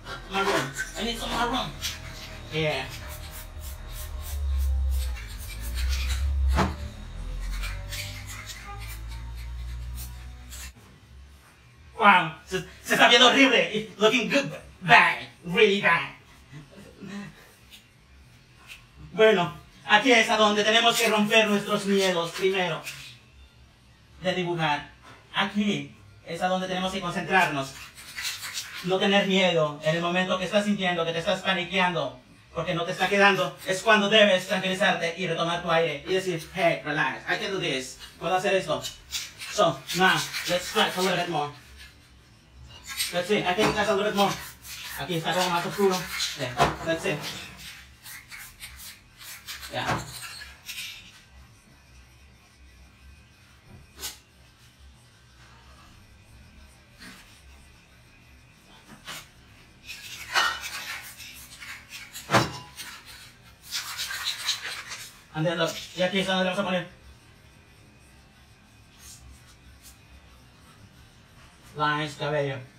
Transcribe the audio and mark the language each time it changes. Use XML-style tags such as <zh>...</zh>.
<en>Maroon. I need some maroon. Yeah.</en> <es>Wow, se está viendo horrible.</es> <en>It's looking good, bad, really bad.</en> <es>Bueno, aquí es a donde tenemos que romper nuestros miedos primero de dibujar. Aquí es a donde tenemos que concentrarnos. No tener miedo en el momento que estás sintiendo que te estás paniqueando porque no te está quedando. Es cuando debes tranquilizarte y retomar tu aire y decir,</es> <en>hey, relax, I can do this.</en> <es>Puedo hacer esto.</es> <en>So, now, let's try a little bit more. Let's see,</en> <es>aquí está</es> <en>a little bit more.</en> <es>Aquí está como más oscuro. Yeah.</es> <en>Let's see. Yeah. And then look,</en> <es>y aquí es donde vamos a poner lines, cabello.</es>